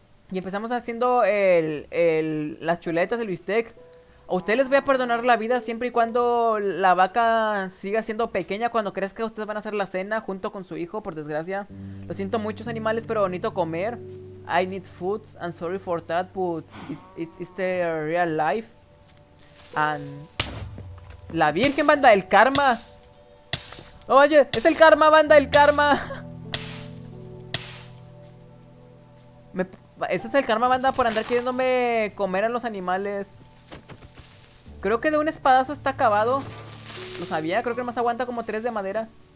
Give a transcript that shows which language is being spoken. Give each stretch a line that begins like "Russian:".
Spanish: Y empezamos haciendo las chuletas, el bistec. A ustedes les voy a perdonar la vida siempre y cuando la vaca siga siendo pequeña. Cuando crezca, ustedes van a hacer la cena junto con su hijo, por desgracia. Lo siento mucho, animales, pero necesito comer.
English: I need food. I'm sorry for that, but it's the real life.
Spanish: And... La Virgen, banda, el karma. Oh, oye, es el karma, banda, el karma. Ese es el karma, banda, por andar queriéndome comer a los animales. Creo que de un espadazo está acabado. Lo sabía, creo que más aguanta como tres de madera.